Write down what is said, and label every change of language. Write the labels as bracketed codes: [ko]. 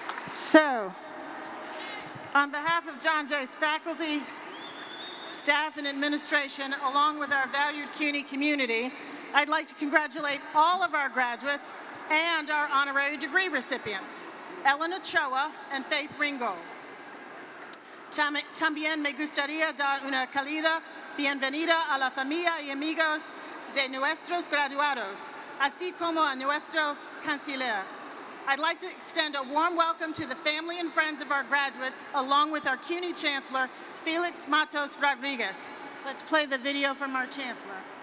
[en] So, on behalf of John Jay's faculty, staff, and administration, along with our valued CUNY community, I'd like to congratulate all of our graduates and our honorary degree recipients, Ellen Ochoa and Faith Ringgold. [es] También me gustaría dar una cálida bienvenida a la familia y amigos de nuestros graduados, así como a nuestro canciller. [en] I'd like to extend a warm welcome to the family and friends of our graduates, along with our CUNY Chancellor, Felix Matos Rodriguez. Let's play the video from our Chancellor.